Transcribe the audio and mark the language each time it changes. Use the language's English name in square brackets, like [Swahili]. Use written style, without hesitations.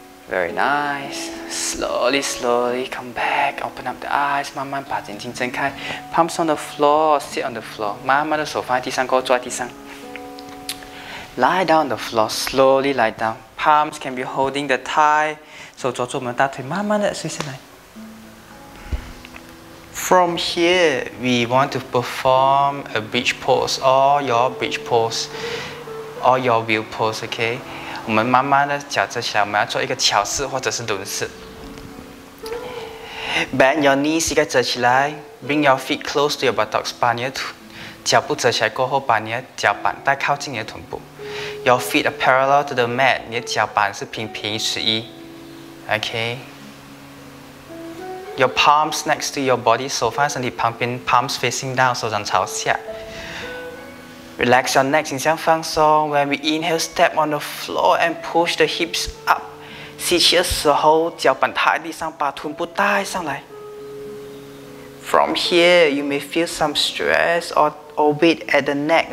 [English] Very nice. Slowly, slowly, come back. Open up the eyes. [Chinese] 慢慢把眼睛睁开. [English] Palms on the floor. Sit on the floor. [Chinese] 妈妈的手放在地上，给我坐在地上. [English] Lie down on the floor. Slowly lie down. Palms can be holding the thigh. [Chinese] 手抓住我们的大腿，慢慢的垂下来. [English] From here, we want to perform a beach pose or your beach pose or your wheel pose, okay? [Chinese] 我们慢慢的脚折起来，我们要做一个桥式或者是轮式. [English] Bend your knees, [Chinese] 膝盖折起来. [English] Bring your feet close to your buttocks, [Chinese] 把你的脚部折起来过后，把你的脚板带靠近你的臀部. [English] Your feet are parallel to the mat, [Chinese] 你的脚板是平平十一. [English] Okay? Your palms next to your body, [Chinese] 手放在身体旁边, [English] palms facing down, [Chinese] 手掌朝下. [English] Relax your neck, [Chinese] 轻轻放松. [English] When we inhale, step on the floor and push the hips up. [Chinese] 吸气的时候, 脚板踏在地上, 把臀部带上来. [English] From here, you may feel some stress or weight at the neck.